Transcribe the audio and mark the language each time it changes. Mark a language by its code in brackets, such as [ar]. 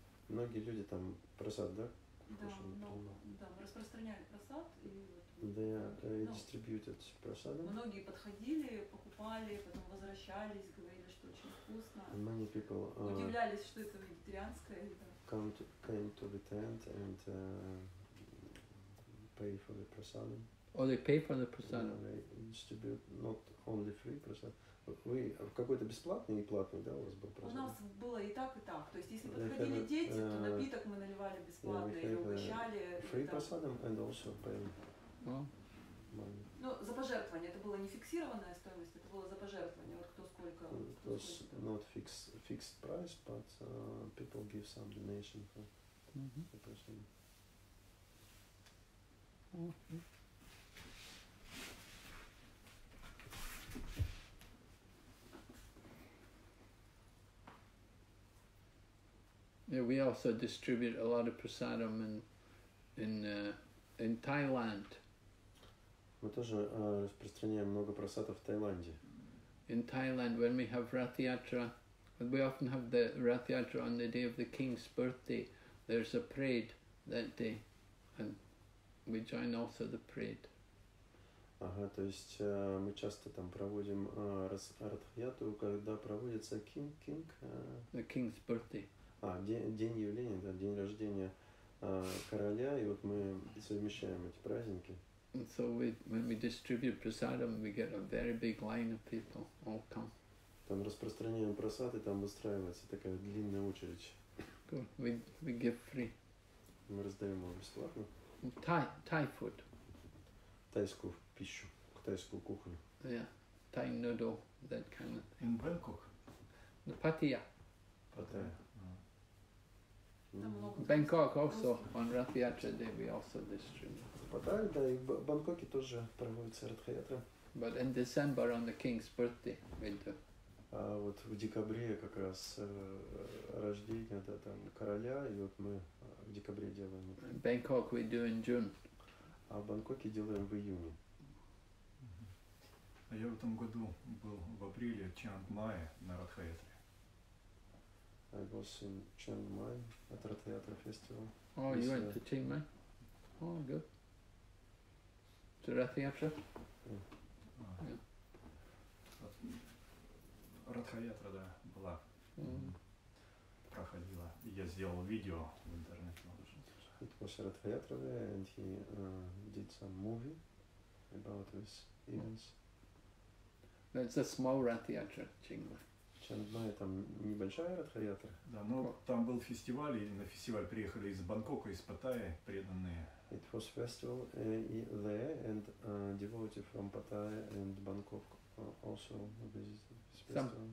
[ru] Многие люди там прасад, да? Да, распространяли прасад. [en] They distributed prasad. [ru] Многие подходили, покупали, потом возвращались, говорили, что очень вкусно. [en] And many people [ru] удивлялись, что это вегетарианское. [en] Came to the tent and pay for the prasad. Oh, they pay for the prasad. Yeah, they distribute not only free prasad. [ru] Вы какой-то бесплатный или платный, да, у вас был прасад? У нас было и так, и так. То есть, если подходили дети, то напиток мы наливали бесплатно, yeah, или угощали. [en] Free prasad and also paying. [ru] Ну, за пожертвование. Это была не фиксированная стоимость, это было за пожертвование. Вот кто сколько... [en] It was not fixed price, but people give some donation for the person. Yeah, we also distribute a lot of prasadam in Thailand. [ru] Мы тоже распространяем много прасадов в Таиланде. [en] In Thailand, when we have Rath Yatra, we often have the Rath Yatra on the day of the king's birthday. There's a parade that day, and we join also the parade. [ru] Ага, то есть мы часто там проводим Рath Yatra, когда проводится king. [en] The king's birthday. [ru] А, день явления, да, день рождения короля, и вот мы совмещаем эти праздники. [en] And so when we distribute prasadam, we get a very big line of people all come. [ru] Там распространяем прасад, и там выстраивается такая длинная очередь. [en] Good. We give free. [ru] Мы раздаем его бесплатно. [en] Thai food. [ru] Тайскую пищу, тайскую кухню. [en] Yeah, Thai noodle, that kind of thing. In Bangkok? No, Pattaya. Pattaya. Bangkok also, on Rath Yatra day we also distribute. But in December, on the king's birthday, we do. [ru] А вот в декабре как раз рождение, да, там, короля, и вот мы в декабре делаем. [en] In Bangkok we do in June. [ru] А в Бангкоке делаем в июне. А я в этом году был в апреле, в Чианг Майе, на Рath Yatra. [en] I was in Chiang Mai at Rath Yatra festival. Oh, you went to Chiang Mai? Oh, good. To Rath Yatra? Yeah. [ru] Rath Yatra, да, была. Проходила. Я сделал видео в интернете. [en] It was Rath Yatra there, and he did some movie about his events. No, it's a small Rath Yatra, Chiang Mai. [ru] Чангмай, там небольшая Rath Yatra. Да, но там был фестиваль, и на фестиваль приехали из Бангкока, из Паттайи, преданные. [en] It was festival there, and devotees from Pattaya and Bangkok also visited this festival.